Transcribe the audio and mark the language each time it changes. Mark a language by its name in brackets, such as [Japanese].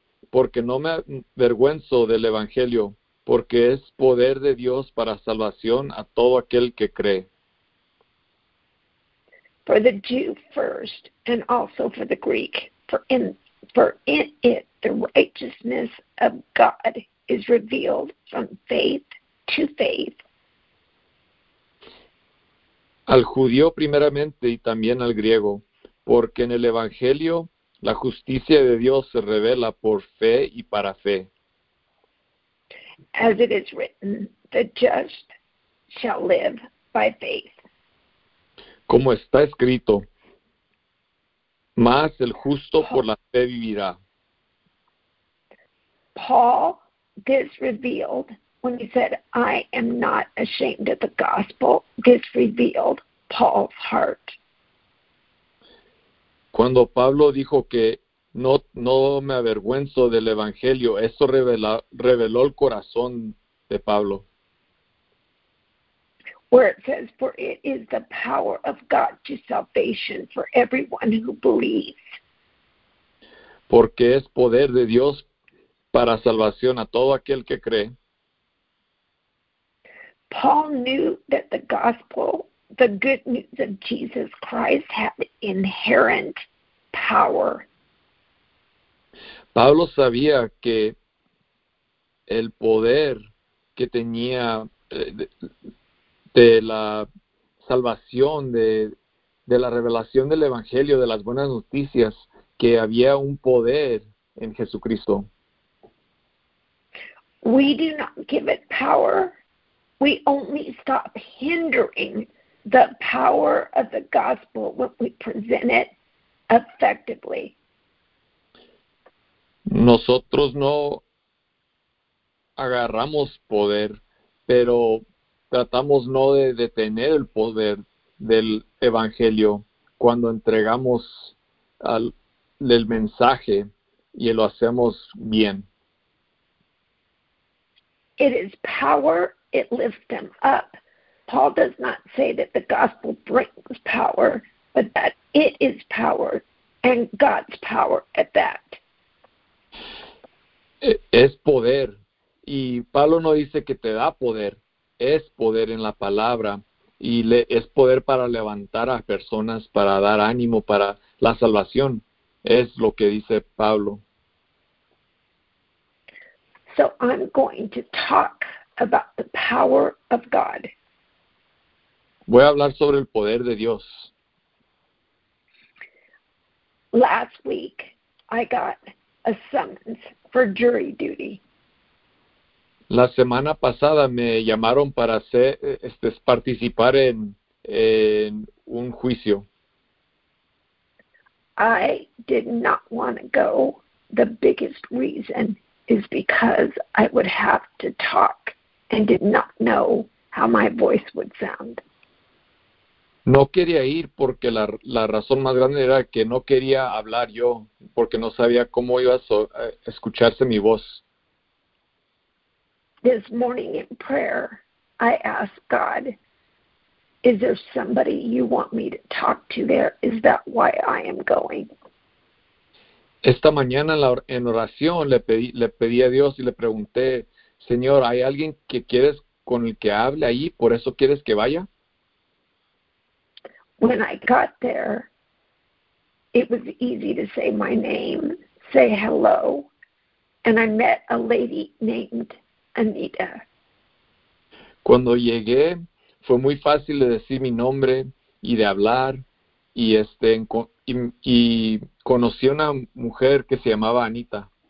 [Spanish] Porque no me avergüenzo del Evangelio, porque es poder de Dios para salvación a todo aquel que cree. [English] For the Jew first, and also for the Greek, for in it the righteousness of God is revealed from faith to faith. [Spanish] Al judío primeramente y también al griego, porque en el Evangelio la justicia de Dios se revela por fe y para fe. [English] As it is written, the just shall live by faith. [Spanish] Como está escrito, más el justo por la fe vivirá. [English] Paul, this revealed, when he said, I am not ashamed of the gospel, this revealed Paul's heart. [Spanish] Cuando Pablo dijo que no me avergüenzo del Evangelio, eso reveló el corazón de Pablo. [English] Where it says, for it is the power of God to salvation for everyone who believes. [Spanish] Porque es poder de Dios para salvación a todo aquel que cree. [English] Paul knew that the gospel, the good news of Jesus Christ, had inherent power. [Spanish] Pablo sabía que el poder que tenía de la salvación, de la revelación del Evangelio, de las buenas noticias, que había un poder en Jesucristo. [English] We do not give it power. We only stop hindering the power of the gospel when we present it effectively. [Spanish] Nosotros no agarramos poder, pero tratamos no de detener el poder del Evangelio cuando entregamos el mensaje y lo hacemos bien. [English] It is power, it lifts them up. Paul does not say that the gospel brings power, but that it is power, and God's power at that. [Spanish] Es poder. Y Pablo no dice que te da poder. Es poder en la palabra. Y es poder para levantar a personas, para dar ánimo, para la salvación. Es lo que dice Pablo. [English] So I'm going to talk about the power of God. [Spanish] Voy a hablar sobre el poder de Dios. [English] Last week, I got a summons for jury duty. [Spanish] La semana pasada me llamaron para participar en un juicio. [English] I did not want to go. The biggest reason is because I would have to talk and did not know how my voice would sound. [Spanish] No quería ir porque la razón más grande era que no quería hablar yo, porque no sabía cómo iba a escucharse mi voz. [English] This morning in prayer, I asked God, is there somebody you want me to talk to there? Is that why I am going? [Spanish] Esta mañana en oración le pedí a Dios y le pregunté, Señor, ¿hay alguien que quieres con el que hable ahí? ¿Por eso quieres que vaya? [English] When I got there, it was easy to say my name, say hello, and I met a lady named Anita. [Spanish] Cuando llegué, fue muy fácil de decir mi nombre y de hablar. Y conocí a una mujer que se llamaba Anita.